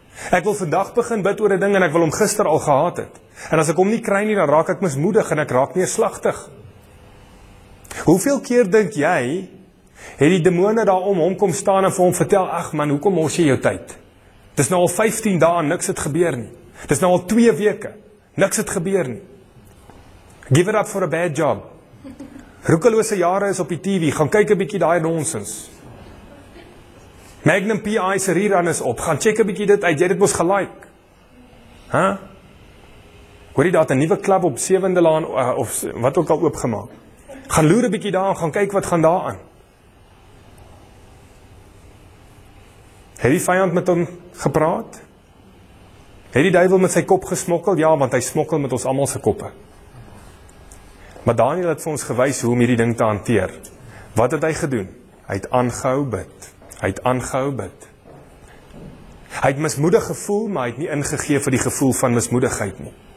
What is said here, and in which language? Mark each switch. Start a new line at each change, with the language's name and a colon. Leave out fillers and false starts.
Afrikaans: Ek wil vandag begin bid oor 'n ding en ek wil hom gister al gehad het. En as ek hom nie kry nie, dan raak ek mismoedig en ek raak neerslagtig. Hoeveel keer dink jy, het die demone daar om hom kom staan en vir hom vertel, ach man, hoekom mors jy jou tyd? Dis nou al 15 dae, niks het gebeur nie. Dis nou al 2 weke, niks het gebeur nie.
English: Give it up for a bad job.
Afrikaans: Roekelose jare is op die TV, gaan kyk 'n bietjie daai nonsens. Magnum PI se rerun is op, gaan check 'n bietjie dit uit, jy dit mos gelike. Huh? Hoor jy dat 'n nuwe klub op 7de Laan, of wat ook al oopgemaak. Gaan loer 'n bietjie daar en gaan kyk wat gaan daar aan. Het die vijand met hom gepraat? Het die duivel met sy kop gesmokkel? Ja, want hy smokkel met ons allemaal sy koppe. Maar Daniël het vir ons gewys hoe om hierdie ding te hanteer. Wat het hy gedoen? Hy het aangehou bid. Hy het aangehou bid. Hy het mismoedig gevoel, maar hy het nie ingegee vir die gevoel van mismoedigheid nie.